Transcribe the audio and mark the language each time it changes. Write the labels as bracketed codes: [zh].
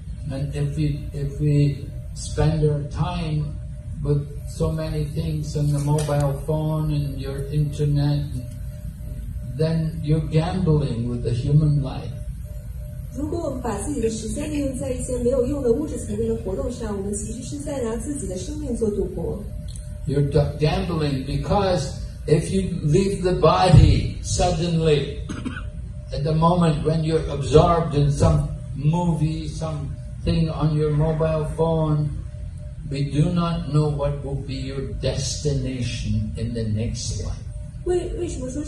[en] And if we spend our time with so many things on the mobile phone and your internet, then you're gambling with the human life. [zh] 如果我们把自己的时间利用在一些没有用的物质层面的活动上，我们其实是在拿自己的生命做赌博。 [en] You're gambling because if you leave the body suddenly, at the moment when you're absorbed in some movie, something on your mobile phone, we do not know what will be your destination in the next life.